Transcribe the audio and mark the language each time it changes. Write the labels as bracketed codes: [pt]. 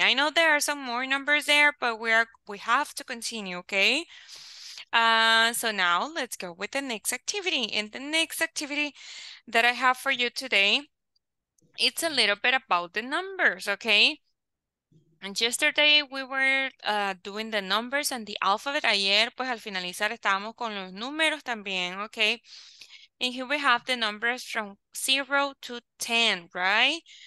[en] I know there are some more numbers there, but we have to continue, okay? So now let's go with the next activity. And the next activity that I have for you today, it's a little bit about the numbers, okay? And yesterday we were doing the numbers and the alphabet. [es] Ayer, pues al finalizar, estábamos con los números también, okay? [en] And here we have the numbers from 0 to 10, right?